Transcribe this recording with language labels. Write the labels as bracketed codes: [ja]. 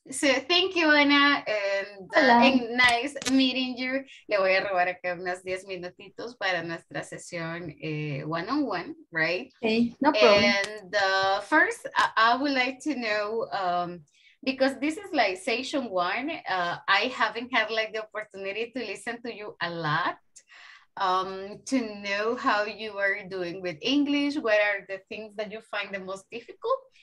[en] So thank you, Ana, and nice meeting you. [es] Le voy a robar acá unos 10 minutitos para nuestra sesión [en] one-on-one, [es] right? [en] Okay, no problem. And first, I would like to know, because this is like session one, I haven't had like the opportunity to listen to you a lot. To know how you are doing with English, what are the things that you find the most difficult?